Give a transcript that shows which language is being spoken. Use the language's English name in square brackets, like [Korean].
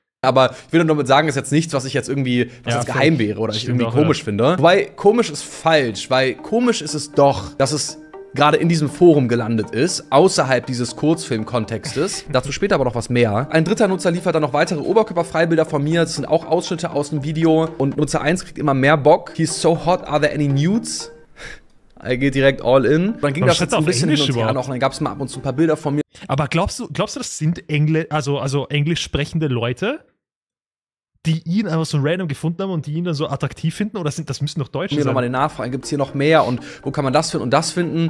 [German] Aber ich will nur damit sagen, ist jetzt nichts, was ich jetzt irgendwie, was jetzt geheim wäre oder ich irgendwie komisch finde. Wobei, komisch ist falsch, weil komisch ist es doch, dass es gerade in diesem Forum gelandet ist, außerhalb dieses Kurzfilm-Kontextes. Dazu später aber noch was mehr. Ein dritter Nutzer liefert dann noch weitere Oberkörperfreibilder von mir. Das sind auch Ausschnitte aus dem Video. Und Nutzer 1 kriegt immer mehr Bock. [English] He's so hot, are there any nudes? [German] Er geht direkt all in. Dann ging das jetzt ein bisschen hin und her noch. Dann gab es mal ab und zu ein paar Bilder von mir. Aber glaubst du, das sind also englisch sprechende Leute, die ihn einfach so random gefunden haben und die ihn dann so attraktiv finden? Oder das müssen doch Deutsche sein? Hier nochmal den Nachfragen. Gibt es hier noch mehr? Und wo kann man das finden und das finden?